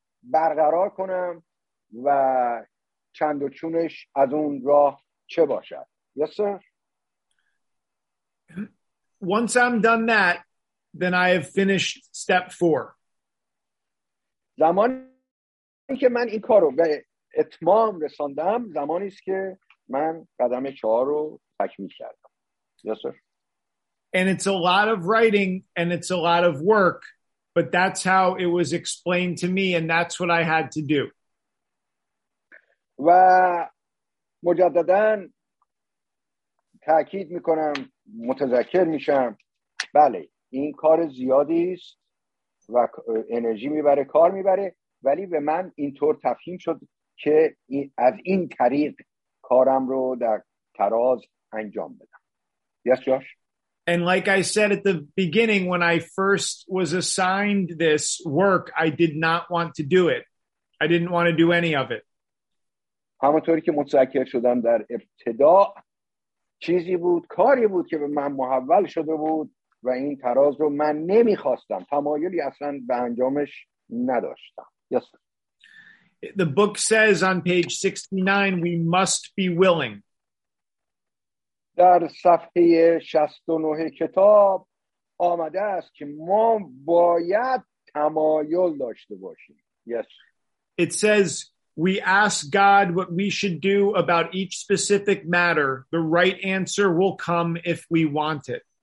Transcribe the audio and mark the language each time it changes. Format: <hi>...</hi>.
<fa>برقرار کنم و چند و چونش از اون راه چه باشد.</fa> <en>Yes, sir. Once I'm done that, then I have finished step 4.</en> <fa>زمانی که من این کارو به اتمام رساندم، زمانی است که من قدم 4 رو تکمیل کردم.</fa> <en>Yes, sir. And it's a lot of writing and it's a lot of work, but that's how it was explained to me and that's what I had to do.</en> <fa>و مجددا تاکید میکنم، متذکر میشم، بله این کار زیادی است و انرژی میبره، کار میبره، ولی به من اینطور تفهیم شد که از این طریق کارم رو در تراز انجام بدم.</fa> <en>Yes, Josh. And like I said at the beginning, when I first was assigned this work, I did not want to do it. I didn't want to do any of it.</en> <fa>همونطوری که متذکر شدم در ابتدا چیزی بود، کاری بود که به من محول شده بود و این تراز رو من نمیخواستم، تمایلی اصلا به انجامش نداشتم.</fa> <en>Yes. The book says on page 69, we must be willing.</en> <fa>در صفحه 69 کتاب آمده است که ما باید تمایل داشته باشیم.</fa> <en>Yes. It says we ask God what we should do about each specific matter. The right answer will come if we want it.</en>